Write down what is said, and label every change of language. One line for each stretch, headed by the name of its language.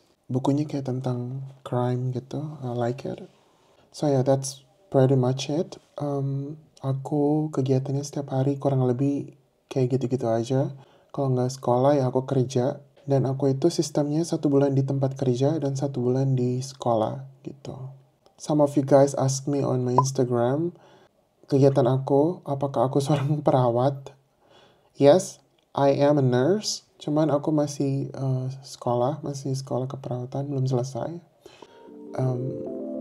Indonesian: Bukunya kayak tentang crime gitu.
English: I like it. So yeah, that's pretty much it.
Indonesian: Aku kegiatannya setiap hari kurang lebih kayak gitu-gitu aja. Kalau nggak sekolah ya aku kerja. Dan aku itu sistemnya 1 bulan di tempat kerja dan 1 bulan di sekolah gitu.
English: Some of you guys ask me on my Instagram.
Indonesian: Kegiatan aku, apakah aku seorang perawat?
English: Yes, I am a nurse.
Indonesian: Cuman aku masih sekolah keperawatan, belum selesai.